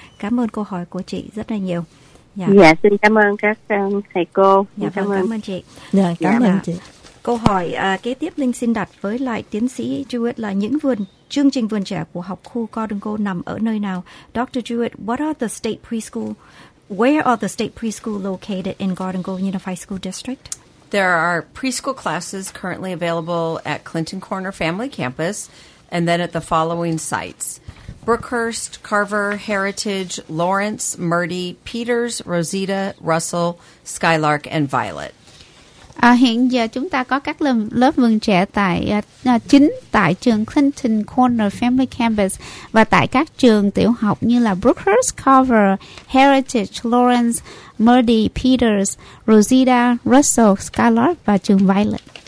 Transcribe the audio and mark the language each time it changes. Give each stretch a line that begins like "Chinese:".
Vietnamese: Cảm ơn câu hỏi của chị rất là nhiều. Dạ, dạ xin cảm ơn các thầy cô. Dạ vâng, cảm ơn chị. Dạ, cảm ơn chị. Câu hỏi kế tiếp Linh xin đặt với lại tiến sĩ Jewett là những vườn, chương trình vườn trẻ của học khu Gordon Gold nằm ở nơi nào?
English: Dr. Jewett, what are the state preschool? Where are the state preschool located in Gordon Gold Unified School District? There are preschool classes currently available at Clinton Corner Family Campus and then at the following sites: Brookhurst, Carver, Heritage, Lawrence, Murdy, Peters, Rosita, Russell, Skylark, and Violet.
Vietnamese: Hiện giờ chúng ta có các lớp vườn trẻ tại chính tại trường Clinton Corner Family Campus và tại các trường tiểu học như là Brookhurst, Carver, Heritage, Lawrence, Murdy, Peters, Rosita, Russell, Skylark và trường Violet.